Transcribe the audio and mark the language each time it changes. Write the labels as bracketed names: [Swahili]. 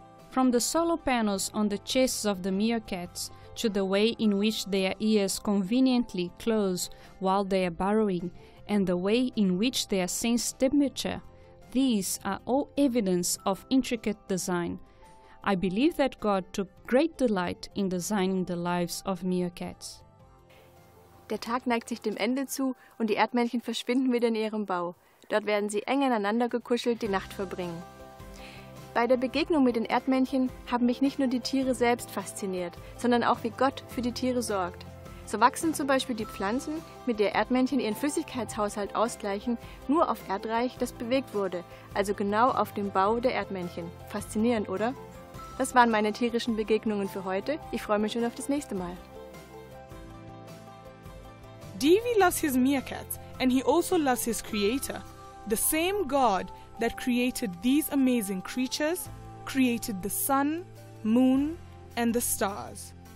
[English] From the solo panels on the chests of the meerkats to the way in which their ears conveniently close while they are burrowing and the way in which they sense temperature, these are all evidence of intricate design. I believe that God took great delight in designing the lives of meerkats. [German] Der Tag neigt sich dem Ende zu und die Erdmännchen verschwinden wieder in ihrem Bau. Dort werden sie eng aneinander gekuschelt die Nacht verbringen. Bei der Begegnung mit den Erdmännchen haben mich nicht nur die Tiere selbst fasziniert, sondern auch wie Gott für die Tiere sorgt. So wachsen zum Beispiel die Pflanzen, mit der Erdmännchen ihren Flüssigkeitshaushalt ausgleichen, nur auf Erdreich, das bewegt wurde, also genau auf dem Bau der Erdmännchen. Faszinierend, oder? Das waren meine tierischen Begegnungen für heute. Ich freue mich schon auf das nächste Mal. [English] Devi loves his meerkats and he also loves his creator. The same God that created these amazing creatures created the sun, moon and the stars.